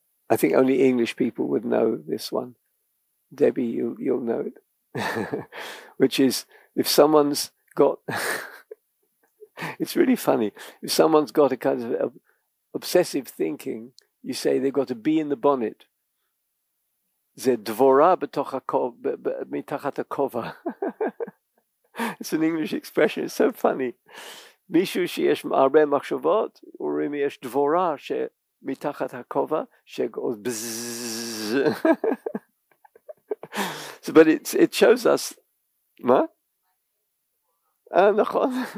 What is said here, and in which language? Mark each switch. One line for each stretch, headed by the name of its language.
English: I think only English people would know this one. Debbie, you'll know it. Which is, if someone's got... It's really funny. If someone's got a kind of obsessive thinking, you say they've got a bee in the bonnet.
Hebrew: זה דבורה בתוך הכובע, מתחת הכובע.
English: It's an English expression. It's so funny.
Hebrew: מישהו שיש הרבה מחשבות, אומרים יש דבורה שמתחת הכובע, שגוז בזז.
English: So, but it shows us,
Hebrew: מה? נכון.